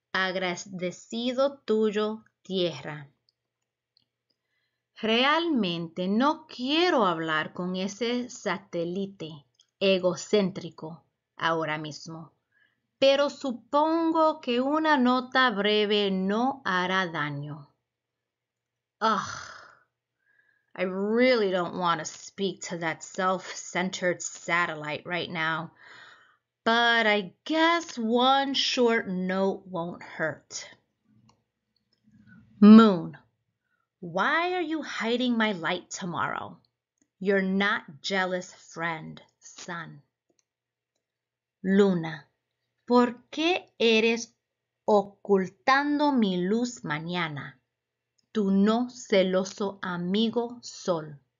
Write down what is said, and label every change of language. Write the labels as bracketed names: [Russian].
[Spanish] Agradecido tuyo, Tierra. Realmente no quiero hablar con ese satélite egocéntrico ahora mismo. Pero supongo que una nota breve no hará daño. [English] Ugh, I really don't want to speak to that self-centered satellite right now, but I guess one short note won't hurt. Moon, why are you hiding my light tomorrow? You're not jealous, friend, Sun. [Spanish] Luna, ¿por qué eres ocultando mi luz mañana, tu no celoso amigo Sol?